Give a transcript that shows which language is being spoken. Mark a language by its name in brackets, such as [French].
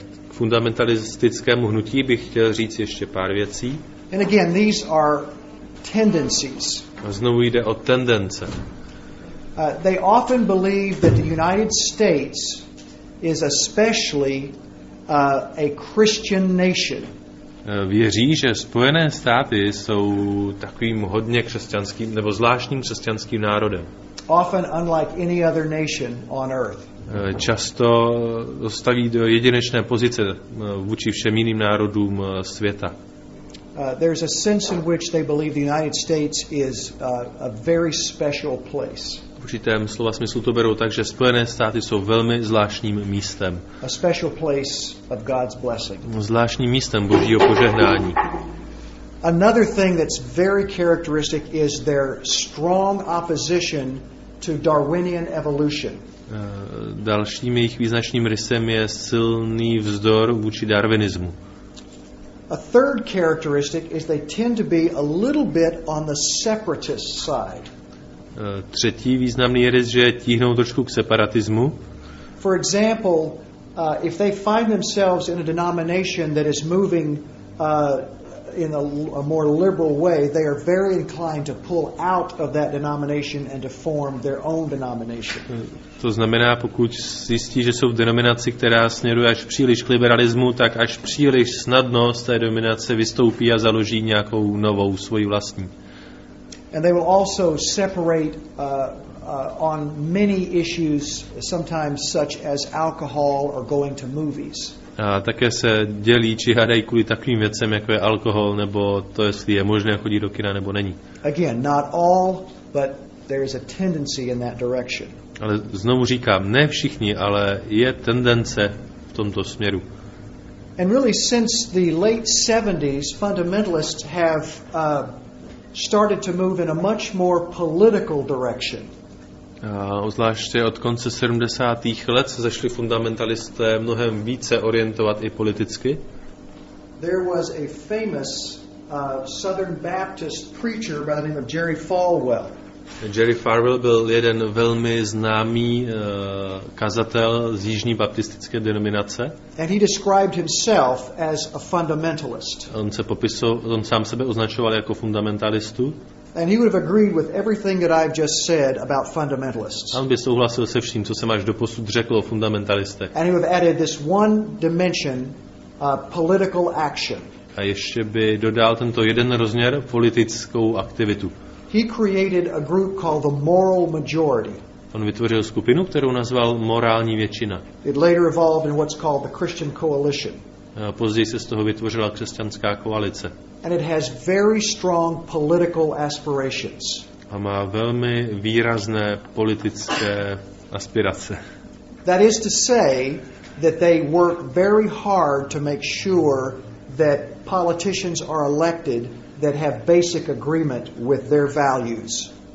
[Czech] fundamentalistickému hnutí bych chtěl říct ještě pár věcí. [English] And again, these are tendencies. [Czech] A znovu jde o tendence. [English] They often believe that the United States is especially a Christian nation. [Czech] Věří, že Spojené státy jsou takovým hodně křesťanským nebo zvláštním křesťanským národem. [English] Often unlike any other nation on earth. [Czech] Často staví do jedinečné pozice vůči všem jiným národům světa. [English] There's a sense in which they believe the United States is a very special place. [Czech] V určitém slova smyslu to berou tak, že Spojené státy jsou velmi zvláštním místem. [English] A special place of God's blessing. [Czech] Zvláštním místem Božího požehnání. [English] Another thing that's very characteristic is their strong opposition to Darwinian evolution. [Czech] Dalším jejich význačným rysem je silný vzdor vůči darwinismu. [English] A third characteristic is they tend to be a little bit on the separatist side. [Czech] Třetí významný rys, že tíhnou trošku k separatismu. [English] For example, if they find themselves in a denomination that is moving in a more liberal way, they are very inclined to pull out of that denomination and to form their own denomination. [Czech] To znamená, pokud zjistí, že jsou v denominaci, která směruje až příliš k liberalismu, tak až příliš snadno z té denominace vystoupí a založí nějakou novou, svoji vlastní. [English] And they will also separate on many issues, sometimes such as alcohol or going to movies. [Czech] A také se dělí či hádají kvůli takovým věcem, jako je alkohol, nebo to, jestli je možné chodit do kina, nebo není. [English] Again, not all, but there is a tendency in that direction. [Czech] Ale znovu říkám, ne všichni, ale je tendence v tomto směru. [English] And really, since the late 70s, fundamentalists have started to move in a much more political direction. [Czech] Zvláště od konce 70. let se začali fundamentalisté mnohem více orientovat i politicky. [English] There was a famous Southern Baptist preacher by the name of Jerry Falwell. [Czech] Jerry Falwell byl jeden velmi známý kazatel z jižní baptistické denominace. [English] And he described himself as a fundamentalist. [Czech] On sám sebe označoval jako fundamentalistu. [English] And he would have agreed with everything that I've just said about fundamentalists. [Czech] On by souhlasil se vším, co jsem až doposud řekl o fundamentalistech. [English] And he would have added this one dimension, political action. [Czech] A ještě by dodal tento jeden rozměr, politickou aktivitu. [English] He created a group called the Moral Majority. [Czech] On vytvořil skupinu, kterou nazval morální většina. [English] It later evolved in what's called the Christian Coalition. [Czech] Později se z toho vytvořila křesťanská koalice. [English] And it has very strong political aspirations. [Czech] A má velmi výrazné politické aspirace. [English] That is to say that they work very hard to make sure that politicians are elected that have basic agreement with their values.